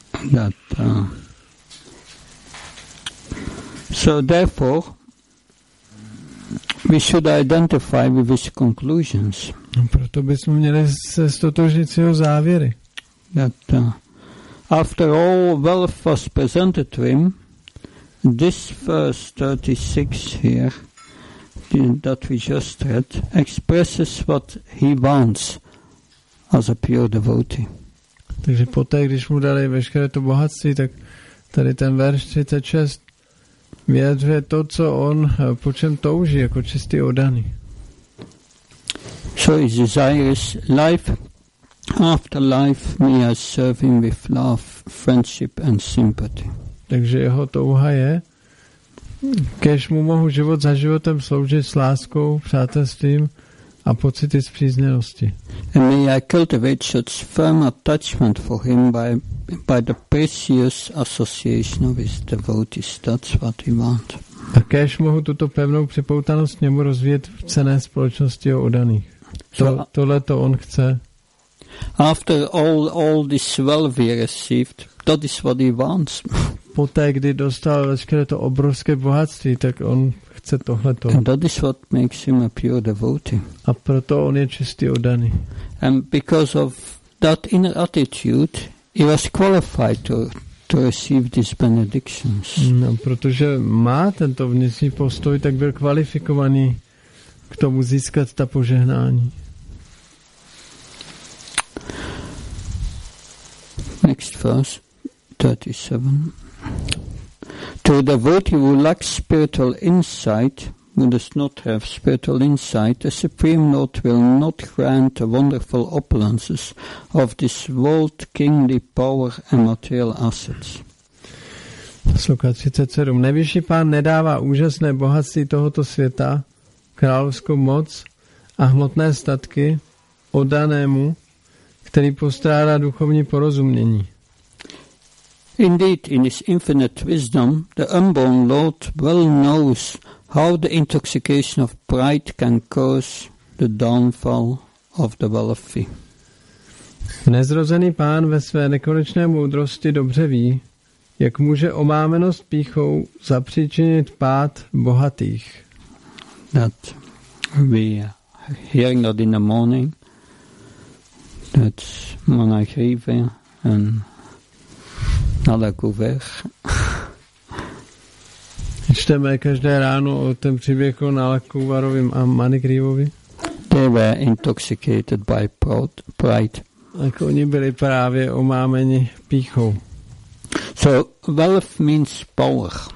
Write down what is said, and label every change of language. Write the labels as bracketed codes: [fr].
[en] That, so therefore we should identify with his conclusions. [cs] Proto bychom měli se stotožnit s jeho závěry. [en] That, after all wealth was presented to him, this verse 36 here that we just read expresses what he wants as a pure devotee. [cs] Takže poté, když mu dali veškeré to bohatství, tak tady ten verš 36 vyjadřuje to, co on po čem touží jako čistý oddaný. [en] So his desire is life after life me as serving with love, friendship and sympathy. [cs] Takže jeho touha je, kéž mu mohu život za životem sloužit s láskou, přátelstvím a pocity spřízněnosti. [en] And may I cultivate such firm attachment for him by the precious association of his devotees. That's what he wants. [cs] A kéž mohu tuto pevnou připoutanost k němu rozvíjet v cenné společnosti o oddaných. Tohle to on chce. [en] After all this wealth he received, that is what he wants. [cs] Poté, kdy dostal veškeré to obrovské bohatství, tak on chce tohleto. [en] And that is what makes him a pure devotee. [cs] A proto on je čistý oddaný. [en] And because of that inner attitude, he was qualified to receive these benedictions. [cs] No, protože má tento vnitřní postoj, tak byl kvalifikovaný k tomu získat ta požehnání. [en] Next verse, 37. To a devotee who lacks spiritual insight, who does not have spiritual insight, the Supreme Lord will not grant the wonderful opulences of this world, kingly power and material assets. [cs] Sloka 37. Nejvyšší pán nedává úžasné bohatství tohoto světa, královskou moc a hmotné statky oddanému, který postrádá duchovní porozumění. [en] Indeed, in his infinite wisdom, the unborn Lord well knows how the intoxication of pride can cause the downfall of the wealthy. [cs] Nezrozený pán ve své nekonečné moudrosti dobře ví, jak může omámenost pýchou zapříčinit pád bohatých. [en] That we hearing that in the morning, that's Monachrive and Nalakuvech. [cs] Čteme každé ráno o tom příběhu Nalakuvarovým a Manigrivovi. [en] They were intoxicated by pride. [cs] Tak oni byli právě omámeni pýchou. [en] So wealth means power.